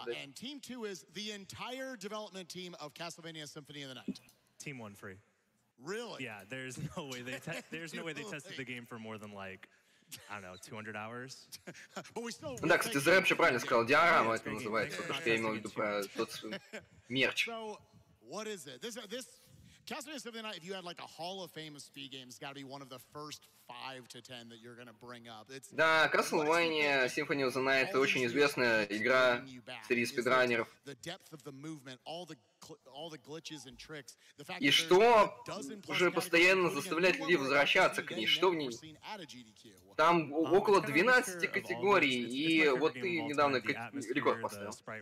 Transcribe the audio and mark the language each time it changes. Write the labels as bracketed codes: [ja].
[en] And team two is the entire development team of Castlevania Symphony of the Night. Team one free. Really? Yeah, there's no way they tested the game for more than like I don't know, 200 hours. [ru] Да, кстати, Зарэп вообще правильно сказал, диарама это называется, потому что я имел в виду про тот мерч. [en] So, what is it? This Castlevania Symphony of the Night, if you had like a Hall of Fame of speed games, gotta be one of the first 5 to 10 that you're gonna bring up. [ru] Да, Castlevania Symphony of the Night — очень известная игра среди спидранеров. [en] The depth of the movement, all the glitches and tricks. [ru] И что уже постоянно заставляет людей возвращаться к ней? Что в ней? Там около 12 категорий, и вот ты недавно рекорд поставил.